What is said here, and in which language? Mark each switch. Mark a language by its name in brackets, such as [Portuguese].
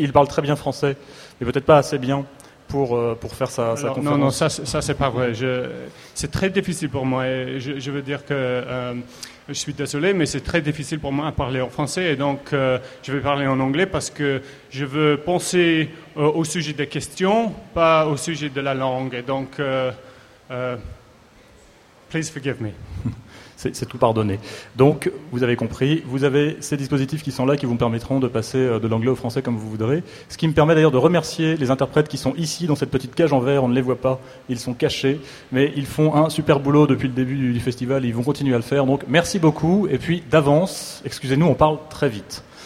[French] Il parle très bien français, mais peut-être pas assez bien pour faire sa conférence. Non, ça c'est pas vrai. C'est très difficile pour moi. Et je veux dire que je suis désolé, mais c'est très difficile pour moi à parler en français. Et donc, je vais parler en anglais parce que je veux penser au sujet des questions, pas au sujet de la langue. Et donc, [English] please forgive me. [French] C'est tout pardonné. Donc, vous avez compris, vous avez ces dispositifs qui sont là, qui vous permettront de passer de l'anglais au français comme vous voudrez. Ce qui me permet d'ailleurs de remercier les interprètes qui sont ici, dans cette petite cage en verre, on ne les voit pas, ils sont cachés, mais ils font un super boulot depuis le début du festival, et ils vont continuer à le faire. Donc, merci beaucoup, et puis d'avance, excusez-nous, on parle très vite.